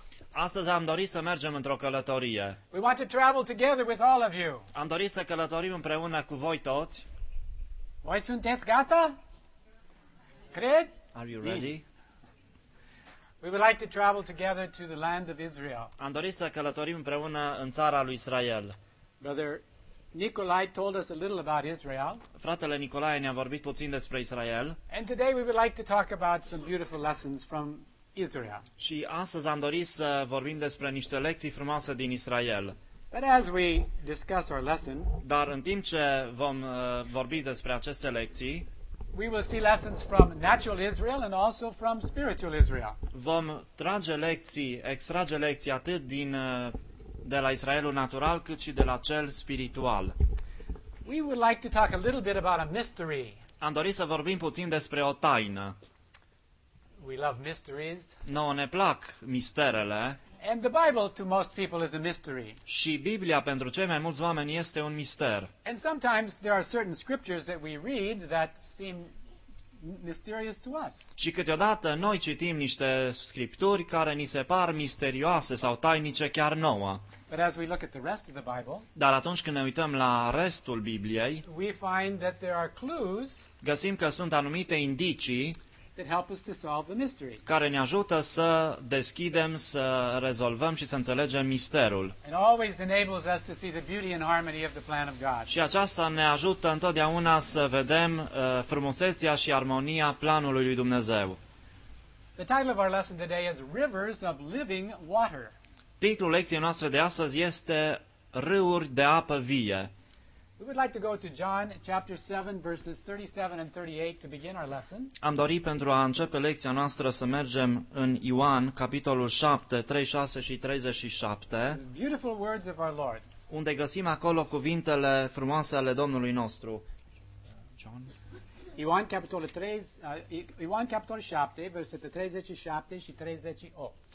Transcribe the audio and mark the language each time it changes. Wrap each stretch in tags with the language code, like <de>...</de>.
<ro>Astăzi am dorit să mergem într-o călătorie.</ro> <en>We want to travel together with all of you.</en> <ro>Am dorit să călătorim împreună cu voi toți. Voi sunteți gata? Cred?</ro> <en>Are you ready? We would like to travel together to the land of Israel.</en> <ro>Am dorit să călătorim împreună în țara lui Israel.</ro> <en>Brother Nicolae told us a little about Israel.</en> <ro>Fratele Nicolae ne-a vorbit puțin despre Israel.</ro> <en>And today we would like to talk about some beautiful lessons from Israel.</en> <ro>Și astăzi am dorit să vorbim despre niște lecții frumoase din Israel.</ro> <en>But as we discuss our lesson,</en> <ro>dar în timp ce vom vorbi despre aceste lecții,</ro> <en>we will see lessons from natural Israel and also from spiritual Israel.</en> <ro>Vom extrage lecții atât din de la Israelul natural, cât și de la cel spiritual.</ro> <en>We would like to talk a little bit about a mystery.</en> <ro>Am dorit să vorbim puțin despre o taină.</ro> <en>We love mysteries.</en> <ro>Noi ne plac misterele.</ro> <en>And the Bible to most people is a mystery.</en> <ro>Și Biblia pentru cei mai mulți oameni este un mister.</ro> <en>And sometimes there are certain scriptures that we read that seem mysterious to us.</en> <ro>Și câteodată noi citim niște scripturi care ni se par misterioase sau tainice chiar nouă.</ro> <en>But as we look at the rest of the Bible,</en> <ro>dar atunci când ne uităm la restul Bibliei,</ro> <en>we find that there are clues.</en> <ro>Găsim că sunt anumite indicii</ro> <en>that help us to solve the mystery.</en> <ro>Care ne ajută să deschidem, să rezolvăm și să înțelegem misterul.</ro> <en>And always enables us to see the beauty and harmony of the plan of God.</en> <ro>Și aceasta ne ajută întotdeauna să vedem frumusețea și armonia planului lui Dumnezeu.</ro> <en>The title of our lesson today is Rivers of Living Water.</en> <ro>Titlul lecției noastre de astăzi este Râuri de apă vie.</ro> <en>We would like to go to John chapter 7 verses 37 and 38 to begin our lesson.</en> <ro>Am dorit pentru a începe lecția noastră să mergem în Ioan capitolul 7, 36 și 37.</ro> <en>Beautiful words of our Lord.</en> <ro>Unde găsim acolo cuvintele frumoase ale Domnului nostru.</ro> <en>John</en> <ro>Ioan capitolul 3, Ioan capitolul 7, versetele 37 și 38.</ro>